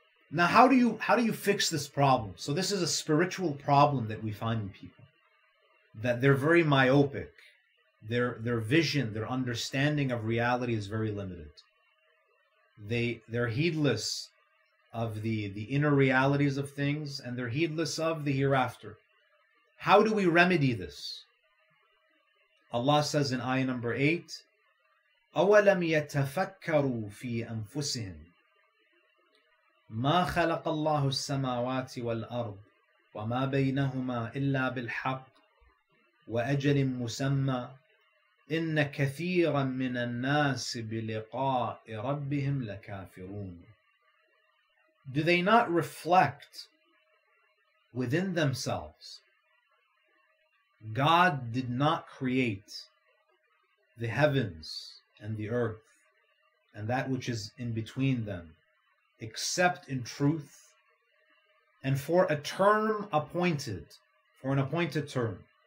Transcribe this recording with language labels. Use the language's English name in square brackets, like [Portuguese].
[English] Now, how do you fix this problem? So this is a spiritual problem that we find in people, that they're very myopic. Their vision, their understanding of reality is very limited. They're heedless of the inner realities of things, and they're heedless of the hereafter. How do we remedy this? Allah says in ayah number 8, [Arabic] أَوَلَمْ يَتَفَكَّرُوا فِي أَنفُسِهِمْ مَا خَلَقَ اللَّهُ السَّمَاوَاتِ وَالْأَرْضِ وَمَا بَيْنَهُمَا إِلَّا بِالْحَقِّ وَأَجَلٍ مُسَمَّى إِنَّ كَثِيرًا مِّنَ النَّاسِ بِلِقَاءِ رَبِّهِمْ لَكَافِرُونَ. [English] Do they not reflect within themselves? God did not create the heavens and the earth and that which is in between them, except in truth and for a term appointed, for an appointed term.